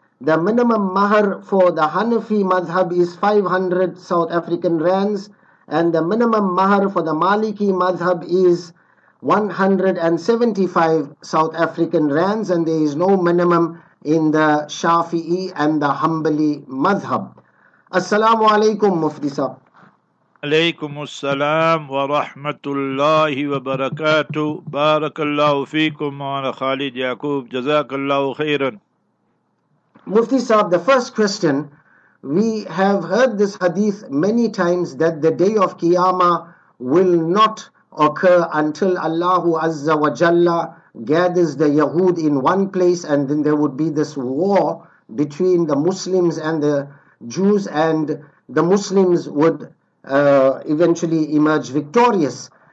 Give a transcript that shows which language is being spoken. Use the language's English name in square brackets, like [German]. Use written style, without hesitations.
[English] The minimum mahar for the Hanafi madhab is 500 South African rands. And the minimum mahar for the Maliki madhab is 175 South African rands. And there is no minimum in the Shafi'i and the Hanbali madhab. [Arabic] Assalamu alaikum, Mufti Sahab. عليكم السلام ورحمة الله وبركاته بارك الله فيكم وعلى خالد يعقوب جزاك الله خيرا [English] مفتي صاحب, the first question, we have heard this hadith many times that the day of Qiyamah will not occur until Allah Azza wa Jalla gathers the Yahud in one place, and then there would be this war between the Muslims and the Jews, and the Muslims would eventually emerge victorious.